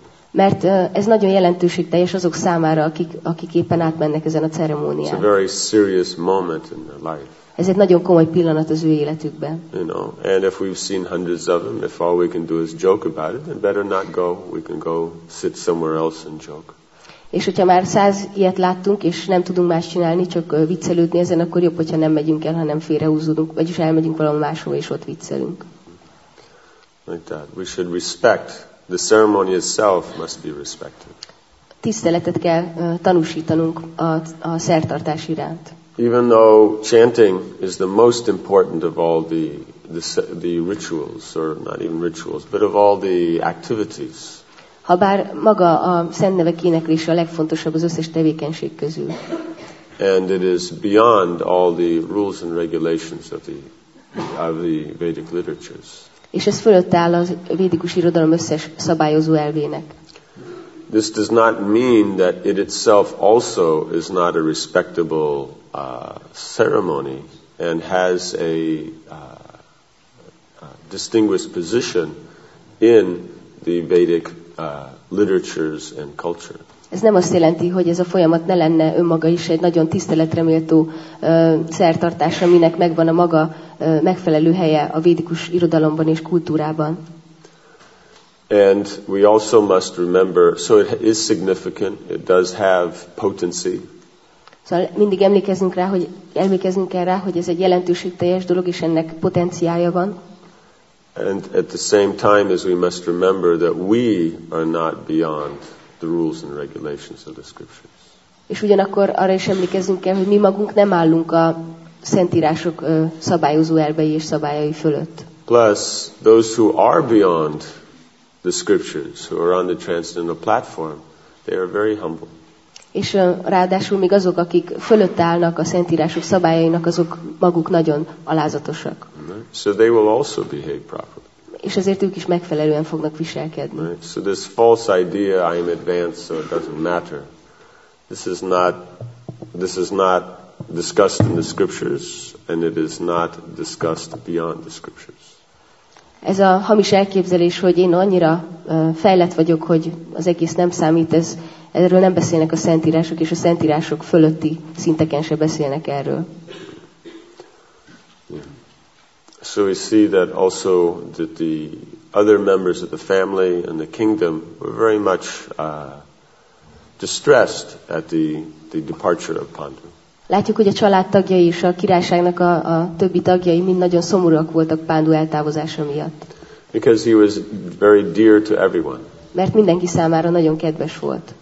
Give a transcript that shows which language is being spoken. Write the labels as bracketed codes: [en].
[hu] Mert ez nagyon jelentőségteljes azok számára, akik éppen átmennek ezen a ceremónián. [en] It's a very serious moment in their life. [hu] Ez egy nagyon komoly pillanat az ő életükben. [en] You know, and if we've seen hundreds of them, if all we can do is joke about it, then better not go. We can go sit somewhere else and joke. [hu] És hogyha már 100 ilyet láttunk, és nem tudunk más csinálni, csak viccelődni ezen, akkor jobb, hogyha nem megyünk el, hanem félrehúzódunk, vagyis elmegyünk valahol máshova, és ott viccelünk. [en] Like that. We should respect. The ceremony itself must be respected. [hu] Tiszteletet kell tanúsítanunk a szertartás iránt. [en] Even though chanting is the most important of all the rituals, or not even rituals, but of all the activities. [hu] Habár maga a szent nevek éneklése a legfontosabb az összes tevékenység közül. [en] And it is beyond all the rules and regulations of the Vedic literatures. [hu] És ez fölött áll a védikus irodalom összes szabályozó elvének. [en] This does not mean that it itself also is not a respectable ceremony and has a distinguished position in the Vedic literatures and culture. [hu] Ez nem azt jelenti, hogy ez a folyamat ne lenne önmaga is egy nagyon tiszteletreméltó szertartás, aminek megvan a maga megfelelő helye a védikus irodalomban és kultúrában. [en] And we also must remember, so it is significant, it does have potency. [hu] Szóval mindig emlékezzünk rá, hogy ez egy jelentőségteljes dolog, és ennek potenciája van. [en] And at the same time, as we must remember that we are not beyond the rules and regulations of the scriptures. [hu] És ugyanakkor arra is emlékezzünk kell, hogy mi magunk nem állunk a szentírások szabályozó elvei és szabályai fölött. [en] Plus, those who are beyond the scriptures, who are on the transcendental platform, they are very humble. [hu] És ráadásul még azok, akik fölött állnak a szentírások szabályainak, azok maguk nagyon alázatosak. [en] So they will also behave properly. [hu] És ezért ők is megfelelően fognak viselkedni. [en] Right. So this false idea, I am advanced, so it doesn't matter. This is not discussed in the scriptures, and it is not discussed beyond the scriptures. [hu] Ez a hamis elképzelés, hogy én annyira fejlett vagyok, hogy az egész nem számít, ez erről nem beszélnek a szentírások, és a szentírások fölötti szinteken se beszélnek erről. [en] So we see that also that the other members of the family and the kingdom were very much distressed at the departure of Pandu. [hu] Látjuk, hogy a családtagjai és a királyságnak a többi tagjai mind nagyon szomorúak voltak Pandu eltávozása miatt. [en] Because he was very dear to everyone. [hu] Mert mindenki számára nagyon kedves volt.